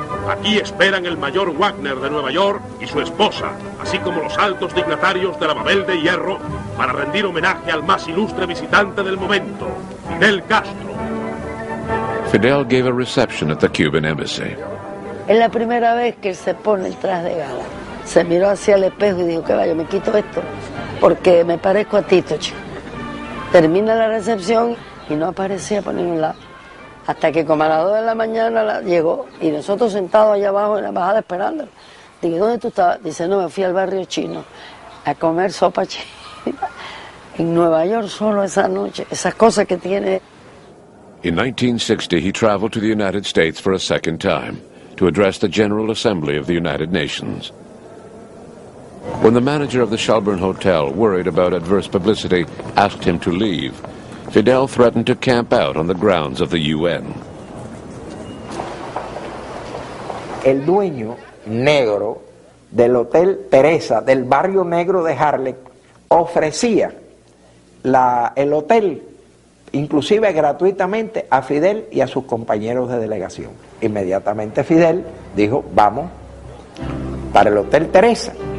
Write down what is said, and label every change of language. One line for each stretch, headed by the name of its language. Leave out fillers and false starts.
Spanish: Aquí esperan el mayor Wagner de Nueva York y su esposa, así como los altos dignatarios de la Babel de Hierro, para rendir homenaje al más ilustre visitante del momento, Fidel Castro.
English: Fidel gave a reception at the Cuban embassy.
Spanish: Es la primera vez que él se pone el traje de gala. Se miró hacia el espejo y dijo, que vaya, me quito esto porque me parezco a Tito, chico. Termina la recepción y no aparecía por ningún lado. Hasta que como a las 2 de la mañana llegó y nosotros sentados allá abajo en la embajada esperándolo. Dije, ¿dónde tú estabas? Dice, no, me fui al barrio chino a comer sopa china. En Nueva York solo esa noche, esas cosas que tiene.
English: In 1960, he traveled to the United States for a second time to address the General Assembly of the United Nations. When the manager of the Shelburne Hotel, worried about adverse publicity, asked him to leave, Fidel threatened to camp out on the grounds of the UN.
Spanish: El dueño negro del Hotel Teresa, del barrio negro de Harlem, ofrecía el hotel, inclusive gratuitamente, a Fidel y a sus compañeros de delegación. Inmediatamente Fidel dijo, vamos para el Hotel Teresa.